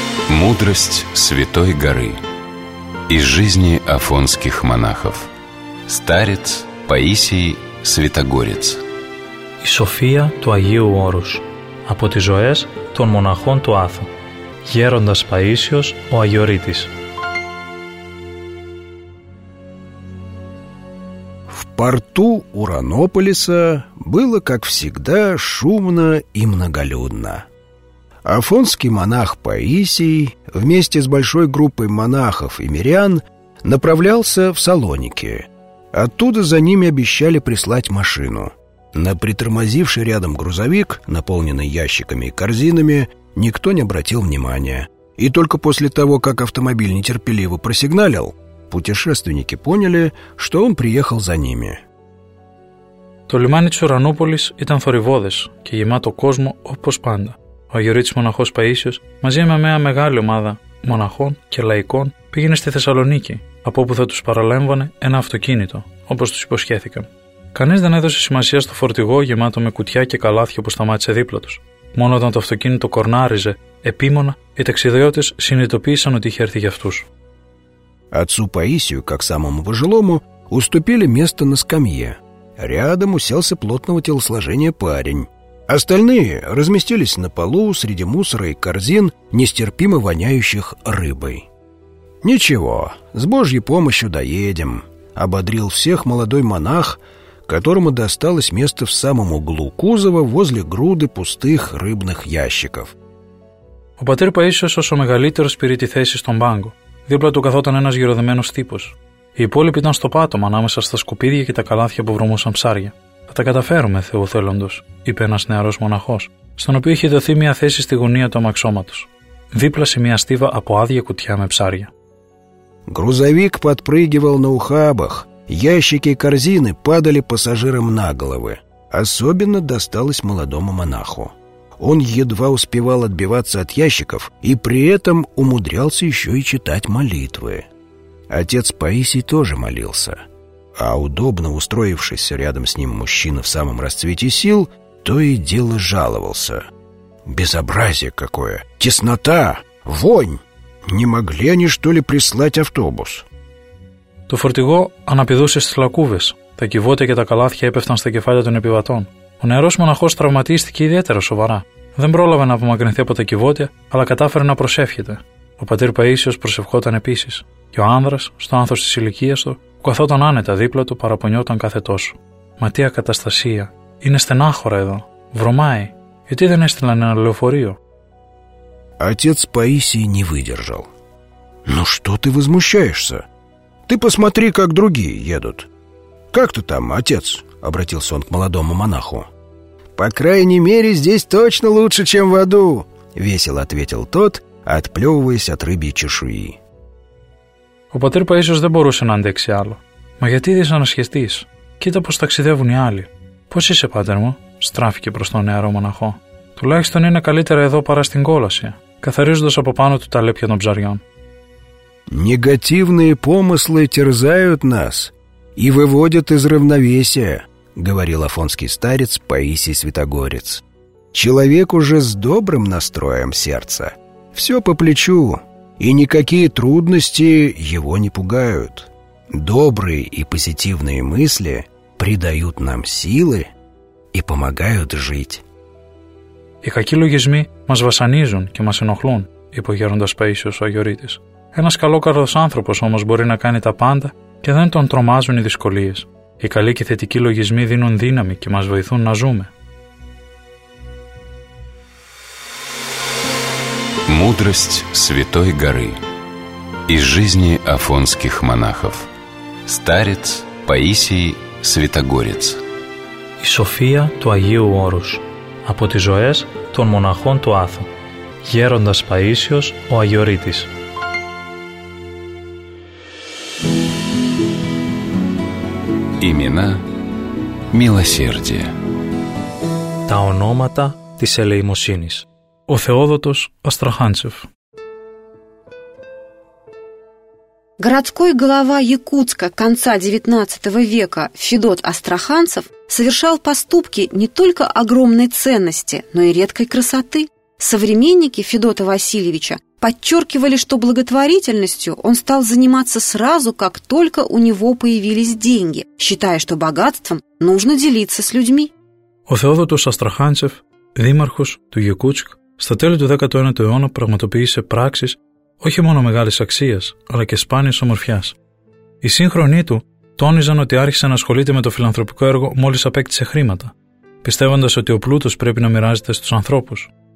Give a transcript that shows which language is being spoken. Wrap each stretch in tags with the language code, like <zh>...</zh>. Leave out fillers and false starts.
<ru>Мудрость Святой Горы из жизни афонских монахов. Старец Паисий Святогорец.</ru> <el>Η Σοφία του Αγίου Όρους από τις ζωές των μοναχών του Άθου. Γέροντας Παΐσιος, ο Αγιορείτης.</el> <ru>В порту Уранополиса было, как всегда, шумно и многолюдно. Афонский монах Паисий вместе с большой группой монахов и мирян направлялся в Салоники. Оттуда за ними обещали прислать машину. На притормозивший рядом грузовик, наполненный ящиками и корзинами, никто не обратил внимания. И только после того, как автомобиль нетерпеливо просигналил, путешественники поняли, что он приехал за ними.</ru> <el>Το λιμάνι της Ουρανούπολης ήταν θορυβώδες και γεμάτο κόσμο όπως πάντα. Ο Αγιορείτης μοναχός Παΐσιος μαζί με μια μεγάλη ομάδα μοναχών και λαϊκών πήγαινε στη Θεσσαλονίκη, από όπου θα τους παραλέμβανε ένα αυτοκίνητο, όπως τους υποσχέθηκαν. Κανείς δεν έδωσε σημασία στο φορτηγό γεμάτο με κουτιά και καλάθια που σταμάτησε δίπλα τους. Μόνο όταν το αυτοκίνητο κορνάριζε, επίμονα, οι ταξιδιώτες συνειδητοποίησαν ότι είχε έρθει για αυτούς.</el> <ru>Отцу Паисию, как самому пожилому, уступили место на скамье. Рядом уселся плотного телосложения парень. Остальные разместились на полу среди мусора и корзин, нестерпимо воняющих рыбой. «Ничего, с Божьей помощью доедем», — ободрил всех молодой монах, которому досталось место в самом углу кузова возле груды пустых рыбных ящиков.</ru> <el>Ο πατήρ Παΐσιος, όσο μεγαλύτερος, πήρε τη θέση στον πάγκο. Δίπλα του καθόταν ένας γυροδεμένος τύπος. Οι υπόλοιποι ήταν στο πάτωμα ανάμεσα στα σκουπίδια και τα καλάθια που βρωμούσαν ψάρια. «Θα τα καταφέρουμε, Θεού θέλοντος», είπε ένας νεαρός μοναχός, στον οποίο είχε δοθεί μια θέση στη γωνία του αμαξώματος, δίπλα σε μια στίβα από άδεια κουτιά με ψάρια.</el> <ru>Грузовик подпрыгивал на ухабах. Ящики и корзины падали пассажирам на головы. Особенно досталось молодому монаху. Он едва успевал отбиваться от ящиков и при этом умудрялся еще и читать молитвы. Отец Паисий тоже молился. А удобно устроившийся рядом с ним мужчина в самом расцвете сил, то и дело жаловался. «Безобразие какое! Теснота! Вонь! Не могли они, что ли, прислать автобус?»</ru> <el>Το φορτηγό αναπηδούσε στις λακκούβες. Τα κυβότια και τα καλάθια έπεφταν στα κεφάλια των επιβατών. Ο νεαρός μοναχός τραυματίστηκε ιδιαίτερα σοβαρά. Δεν πρόλαβε να απομακρυνθεί από τα κυβότια, αλλά κατάφερε να προσεύχεται. Ο πατήρ Παΐσιος προσευχόταν επίσης. Και ο άνδρας, στο άνθος της ηλικίας του, που καθόταν άνετα δίπλα του, παραπονιόταν κάθε τόσο. Μα τι ακαταστασία! Είναι στενάχωρα εδώ! Βρωμάει! Γιατί δεν έστειλαν ένα λεωφορείο?</el> <ru>Отец Паисий не выдержал. Ну что ты возмущаешься? «Ты посмотри, как другие едут!» «Как ты там, отец?» — обратился он к молодому монаху. «По крайней мере, здесь точно лучше, чем в аду!» — весело ответил тот, отплевываясь от рыбьей чешуи.</ru> <el>Ο πατήρ Παΐσιος δεν μπορούσε να αντέξει άλλο. «Μα γιατί δεν ανασχεστείς? Κοίτα πώς ταξιδεύουν οι άλλοι. Πώς είσαι, πάτερ μου?» στράφηκε προς τον νεαρό μοναχό. «Τουλάχιστον είναι καλύτερα εδώ παρά στην κόλαση», καθαρίζοντας από πάνω του τα λέπια των ψαριών.</el> <ru>«Негативные помыслы терзают нас и выводят из равновесия», говорил афонский старец Паисий Святогорец. «Человек уже с добрым настроем сердца. Все по плечу, и никакие трудности его не пугают. Добрые и позитивные мысли придают нам силы и помогают жить».</ru> <el>«Οι κακοί λογισμοί μας βασανίζουν και μας ενοχλούν», είπε ο γέροντας Παΐσιος ο Αγιορείτης. «Ένας καλόκαρδος άνθρωπος όμως μπορεί να κάνει τα πάντα και δεν τον τρομάζουν οι δυσκολίες. Οι καλοί και θετικοί λογισμοί δίνουν δύναμη και μας βοηθούν να ζούμε».</el> <ru>Мудрость Святой Горы из жизни афонских монахов. Старец Паисий Святогорец.</ru> <el>Η Σοφία του Αγίου Όρους από τις ζωές των μοναχών του Άθου. Γέροντας Παΐσιος ο Αγιορείτης.</el> <ru>Имена милосердия.</ru> <el>Τα ονόματα της ελεημοσύνης. Ο Θεόδωτος Αστραχάντσεφ.</el> <ru>Городской глава Якутска конца XIX века Федот Астраханцев совершал поступки не только огромной ценности, но и редкой красоты. Современники Федота Васильевича подчеркивали, что благотворительностью он стал заниматься сразу, как только у него появились деньги, считая, что богатством нужно делиться с людьми.</ru> <el>Ο Θεόδωτος Αστραχάντσεφ, δήμαρχος του Якутск, στα τέλη του 19ου αιώνα πραγματοποίησε πράξεις όχι μόνο μεγάλης αξίας, αλλά και σπάνιας ομορφιάς. Οι σύγχρονοί του τόνιζαν ότι άρχισε να ασχολείται με το φιλανθρωπικό έργο μόλις απέκτησε χρήματα, πιστεύοντας ότι ο πλούτος πρέπει να μοιράζεται στους ανθρώπους.</el>